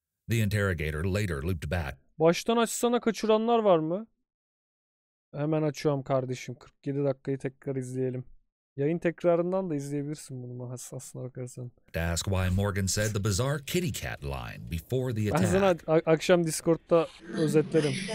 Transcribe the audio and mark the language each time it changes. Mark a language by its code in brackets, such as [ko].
[en] The interrogator later looped back. [tr] Baştan açsana, kaçıranlar var mı? Hemen açıyorum kardeşim. 47 dakikayı tekrar izleyelim. Yayın tekrarından da izleyebilirsin bunu hassasına bakarsan. [en] To ask why Morgan said the bizarre kitty cat line before the attack. [tr] Ben akşam Discord'da özetlerim.